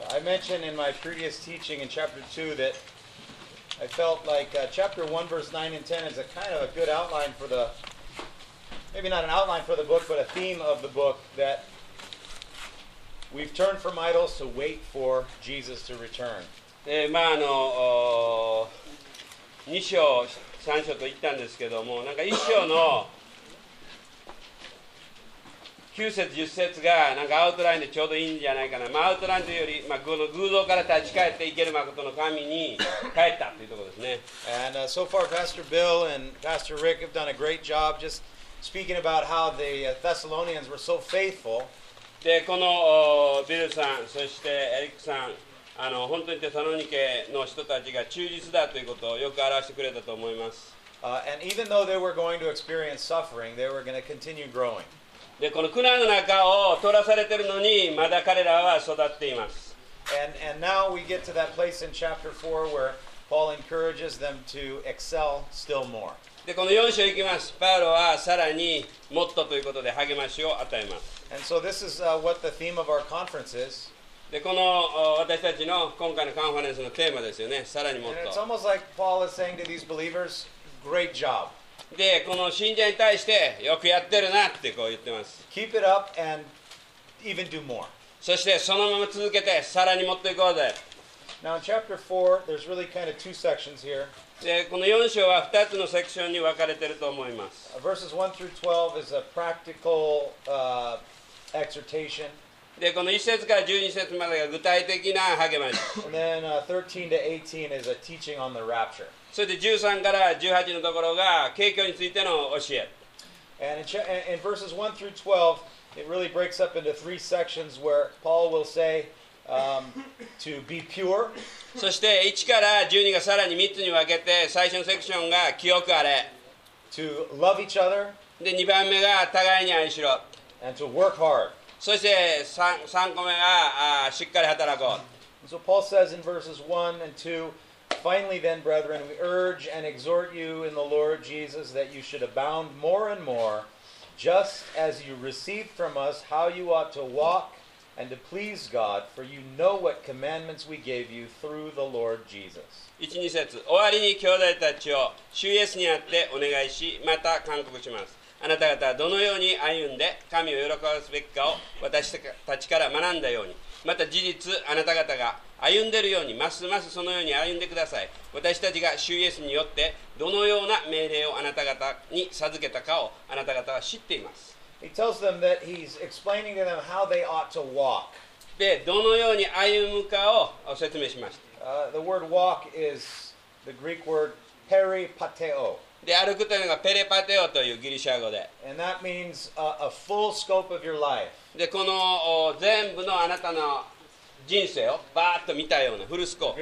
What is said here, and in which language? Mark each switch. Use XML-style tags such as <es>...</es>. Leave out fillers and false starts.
<en>mention in my previous teaching in chapter 2 that I felt like chapter 1, verse 9 and 10 is a kind of a good outline for the, maybe not an outline for the book, but a theme of the book, that we've turned from idols to wait for Jesus to return.</en> <ja>네, 今あの2章、3章と言ったんですけども、なんか1章の9節10節がなんかアウトラインでちょうどいいんじゃないかな、まあ、アウトラインというより、まあ、この偶像から立ち返っていける誠の神に帰ったというところですね。</ja> <en>And、so far Pastor Bill and Pastor Rick have done a great job just speaking about how the Thessalonians were so faithful.</en> <ja>でこのビルさん、そしてエリックさん、あの本当にテサロニケの人たちが忠実だということをよく表してくれたと思います。</ja> <en>And even though they were going to experience suffering, they were going to continue growing.</en> <ja>でこの苦難の中を取らされているのにまだ彼らは育っています。</ja> <en>and now we get to that place in chapter 4 where Paul encourages them to excel still more.</en> <ja>でこの4章行きます。パウロはさらにもっとということで励ましを与えます。</ja> <en>and so this is what the theme of our conference is.</en> <ja>でこの私たちの今回のカンファレンスのテーマですよね、さらにもっと。</ja> <en>and it's almost like Paul is saying to these believers, great job.</en> <ja>でこの信者に対してよくやってるなってこう言ってます。</ja> <en>Keep it up and even do more.</en> <ja>そしてそのまま続けてさらにもっといこうぜ。</ja> <en>Now in chapter 4 there's really kind of two sections here.</en> <ja>でこの4章は2つのセクションに分かれてると思います。</ja> <en>Verses 1 through 12 is a practical exhortation.</en> <ja>でこの1節から12節までが具体的な励まし。</ja> <en>And then 13 to 18 is a teaching on the rapture.</en> <ja>それで13から18のところが景況についての教え。</ja> <en>And in verses 1 through 12 it really breaks up into three sections where Paul will say to be pure.</en> <ja>そして1から12がさらに3つに分けて、最初のセクションが清くあれ、</ja> <en>to love each other、</en> <ja>で2番目が互いに愛しろ、</ja> <en>and to work hard、</en> <ja>そして 3個目がしっかり働こう。</ja> <en>So Paul says in verses 1 and 2,Finally then, brethren, we urge and exhort you in the Lord Jesus that you should abound more and more, just as you received from us how you ought to walk and to please God, for you know what commandments we gave you through the Lord Jesus.</en> <ja>1、2節、終わりに兄弟たちを主イエスにあってお願いし、また勧告します。あなた方はどのように歩んで神を喜ばすべきかを私たちから学んだように、また事実あなた方が歩んでるようにますますそのように歩んでください。私たちが主イエスによってどのような命令をあなた方に授けたかをあなた方は知っています。</ja> <en>He tells them that he's explaining to them how they ought to walk.</en> <ja>でどのように歩むかを説明しました。</ja> <en>The word walk is the Greek word peripateo.</en> <ja>で歩くというのがペレパテオというギリシャ語で、</ja> <en>and that means a full scope of your life.</en> <ja>でこの全部のあなたの人生をバーッと見たようなフルスコープ。</ja>